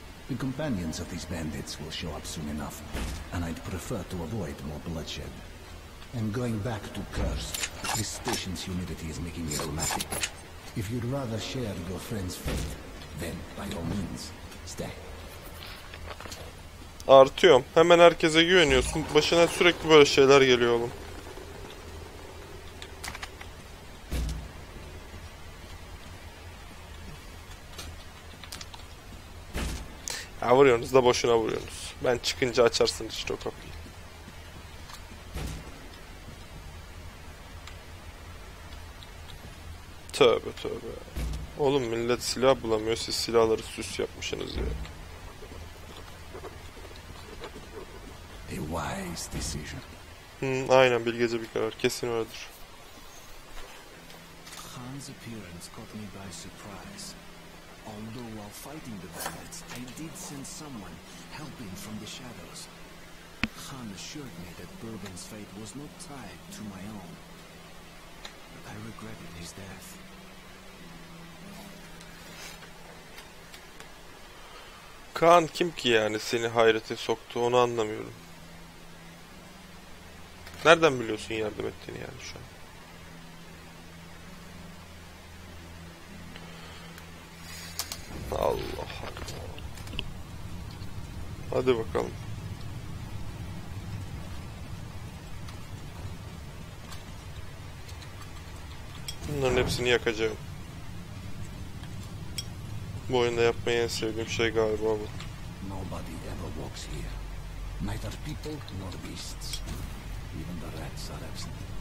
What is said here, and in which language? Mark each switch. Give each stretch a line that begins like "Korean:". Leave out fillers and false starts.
English: The companions of these bandits will show up soon enough, and I'd prefer to avoid more bloodshed. I'm going back to Kursk. This station's humidity is making me rheumatic. If you'd rather share your friend's fate, then by all means, stay.
Turkish: Artıyorum. Hemen herkese güveniyorsun. Başına sürekli böyle şeyler geliyor oğlum. Ya vuruyorsunuz da boşuna vuruyorsunuz. Ben çıkınca açarsın işte o kapıyı. Tövbe tövbe. Oğlum millet silah bulamıyor. Siz silahları süs yapmışsınız ya.
English: A wise decision.
Turkish: Aynen bilgece bir karar kesin vardır.
English: Khan's appearance caught me by surprise. Although while fighting the bandits, I did sense someone helping from the shadows. Khan assured me that Bourbon's fate was not tied to my own. But I regretted his death.
Turkish: Khan kim ki yani seni hayrete soktu onu anlamıyorum. Nereden biliyorsun yardım ettiğini yani şu an? Allah Allah. Hadi bakalım. Bunların hepsini yakacağım. Bu oyunda yapmayı en sevdiğim şey galiba bu.
English: Nobody ever walks here. Neither people nor beasts. Even the rats are absent.